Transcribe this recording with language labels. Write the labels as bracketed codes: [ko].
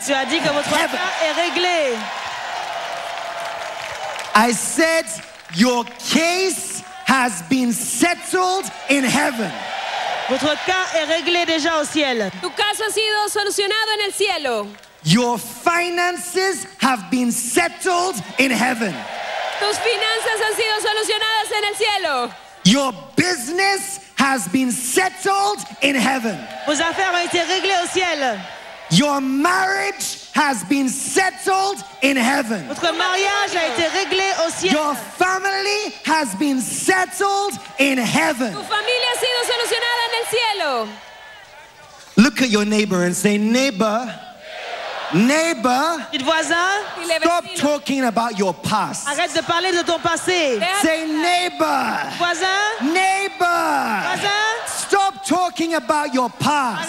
[fr] Tu as dit que votre cas est réglé. [en] I said your case has been settled in heaven. [fr] Votre cas est réglé déjà au ciel. [es] Tu caso ha sido solucionado en el cielo. [en] Your finances have been settled in heaven. [es] Tus finanzas han sido solucionadas en el cielo. [en] Your business has been settled in heaven. [fr] Vos affaires ont été réglées au ciel. [en] Your marriage has been settled in heaven. [fr] Votre mariage a été réglé au ciel. [en] Your family has been settled in heaven. [es] Tu familia ha sido solucionada en el cielo. [en] Look at your neighbor and say, neighbor, neighbor, stop talking about your past. [fr] Arrête de parler de ton passé. [en] Say neighbor. [fr] Voisin. [en] Neighbor. [fr] Voisin. [en] Stop talking about your past.